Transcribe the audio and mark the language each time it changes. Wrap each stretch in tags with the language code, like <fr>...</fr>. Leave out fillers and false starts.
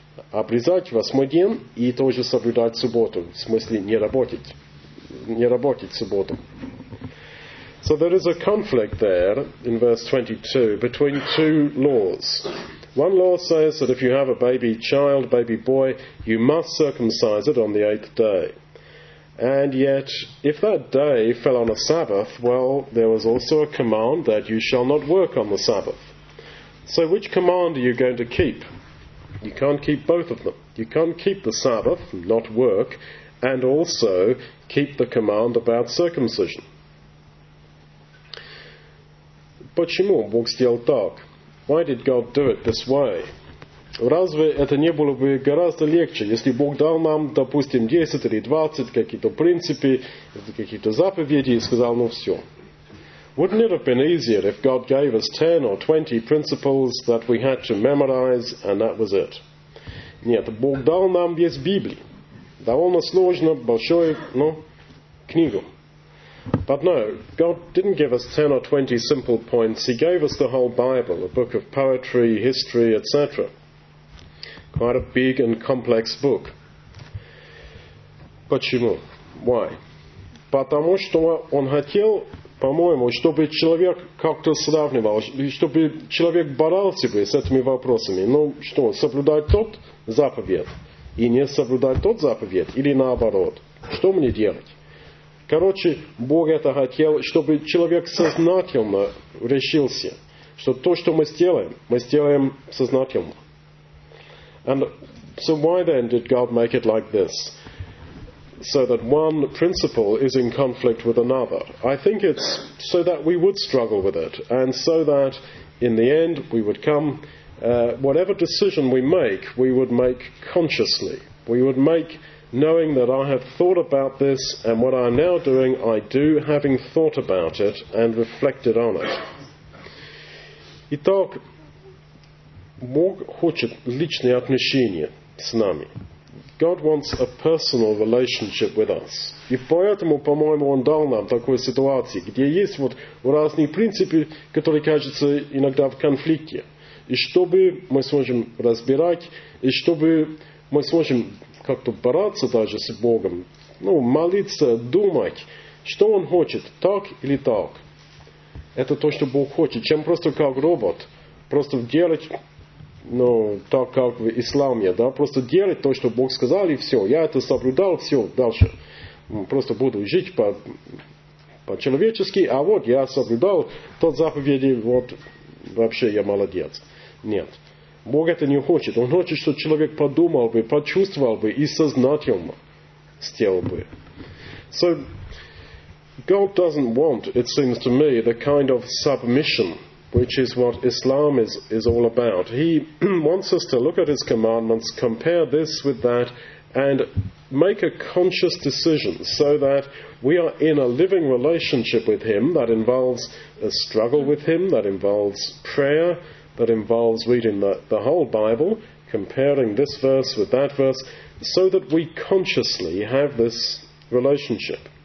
<ru>Обрезать восьмой день и тоже соблюдать субботу. В смысле, не работать субботу.</ru> <en>So there is a conflict there in verse 22 between two laws. One law says that if you have a baby child, baby boy, you must circumcise it on the eighth day. And yet, if that day fell on a Sabbath, well, there was also a command that you shall not work on the Sabbath. So which command are you going to keep? You can't keep both of them. You can't keep the Sabbath, not work, and also keep the command about circumcision.</en> <ru>Почему Бог сделал так?</ru> <en>Why did God do it this way?</en> <ru>Разве это не было бы гораздо легче, если Бог дал нам, допустим, 10 или 20 какие-то принципы, какие-то заповеди и сказал, ну все.</ru> <en>Wouldn't it have been easier if God gave us 10 or 20 principles that we had to memorize and that was it?</en> <ru>Нет, Бог дал нам весь Библию. Довольно сложно, большой, ну, книгу.</ru> <en>But no, God didn't give us 10 or 20 simple points. He gave us the whole Bible, a book of poetry, history, etc. Quite a big and complex book.</en> <ru>Почему?</ru> <en>Why?</en> <ru>Потому что он хотел, по-моему, чтобы человек как-то сравнивал, чтобы человек боролся бы с этими вопросами. Ну что, соблюдать тот заповедь и не соблюдать тот заповедь или наоборот? Что мне делать? Короче, Бог это хотел, чтобы человек сознательно решился, что то, что мы сделаем сознательно.</ru> <en>And so why then did God make it like this? so that one principle is in conflict with another. I think it's so that we would struggle with it, and so that in the end we would come, whatever decision we would make consciously. We would make knowing that I have thought about this, and what I am now doing, I do having thought about it and reflected on it.</en> <ru>Итак, Бог хочет личные отношения с нами.</ru> <en>God wants a personal relationship with us.</en> <ru>И поэтому, по-моему, Он дал нам такую ситуацию, где есть вот разные принципы, которые кажутся иногда в конфликте. И чтобы мы сможем разбирать, и чтобы мы сможем как-то бороться даже с Богом, ну, молиться, думать, что Он хочет, так или так. Это то, что Бог хочет, чем просто как робот, просто делать... Ну, так как в исламе, да, просто делать то, что Бог сказал, и все, я это соблюдал, все, дальше. Просто буду жить по-человечески, а вот я соблюдал тот заповеди, вот вообще я молодец. Нет, Бог это не хочет. Он хочет, чтобы человек подумал бы, почувствовал бы и сознательно сделал бы.</ru> <en>So, God doesn't want, it seems to me, the kind of submission, which is what Islam is all about. He wants us to look at his commandments, compare this with that, and make a conscious decision so that we are in a living relationship with him that involves a struggle with him, that involves prayer, that involves reading the whole Bible, comparing this verse with that verse, so that we consciously have this relationship.</en>